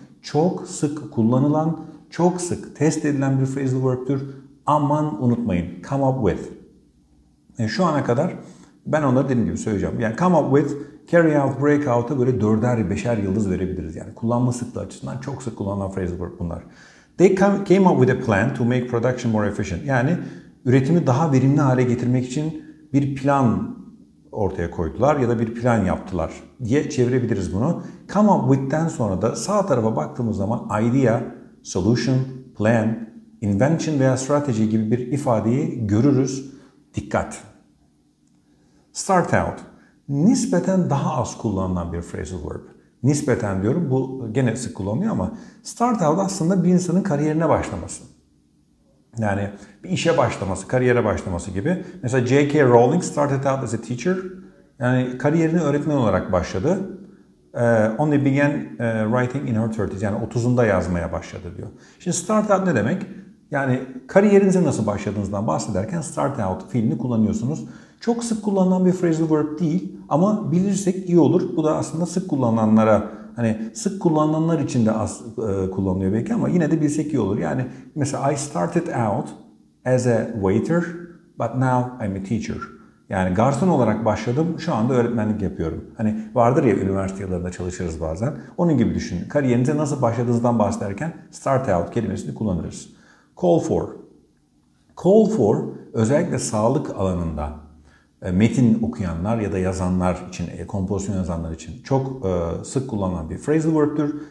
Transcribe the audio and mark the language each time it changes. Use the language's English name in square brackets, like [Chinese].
[Turkish] Çok sık kullanılan, çok sık test edilen bir phrasal verb'tür. Aman unutmayın, come up with. Şu ana kadar ben onları dediğim gibi söyleyeceğim. Yani come up with, carry out, break out'a böyle dörder, beşer yıldız verebiliriz. Yani kullanma sıklığı açısından çok sık kullanılan phrasal verb bunlar. [English] They came up with a plan to make production more efficient. [Turkish] Yani üretimi daha verimli hale getirmek için bir plan ortaya koydular ya da bir plan yaptılar diye çevirebiliriz bunu. Come up with'ten sonra da sağ tarafa baktığımız zaman idea, solution, plan, invention veya strategy gibi bir ifadeyi görürüz. Dikkat! Start out. Nispeten daha az kullanılan bir phrasal verb. Nispeten diyorum, bu gene sık kullanılıyor ama start out aslında bir insanın kariyerine başlaması. Yani bir işe başlaması, kariyere başlaması gibi. Mesela J.K. [English] Rowling started out as a teacher. [Turkish] Yani kariyerini öğretmen olarak başladı. [English] Only began writing in her 30s. [Turkish] Yani 30'unda yazmaya başladı diyor. Şimdi start out ne demek? Yani kariyerinize nasıl başladığınızdan bahsederken start out fiilini kullanıyorsunuz. Çok sık kullanılan bir phrasal verb değil ama bilirsek iyi olur. Bu da aslında sık kullanılanlara, hani sık kullanılanlar için de az kullanılıyor belki ama yine de bilsek iyi olur. Yani mesela [English] I started out as a waiter but now I'm a teacher. [Turkish] Yani garson olarak başladım, şu anda öğretmenlik yapıyorum. Hani vardır ya, üniversite yıllarında çalışırız bazen. Onun gibi düşünün. Kariyerinize nasıl başladığınızdan bahsederken start out kelimesini kullanırız. Call for. Call for özellikle sağlık alanında metin okuyanlar ya da yazanlar için, kompozisyon yazanlar için çok sık kullanılan bir phrasal verb'tür.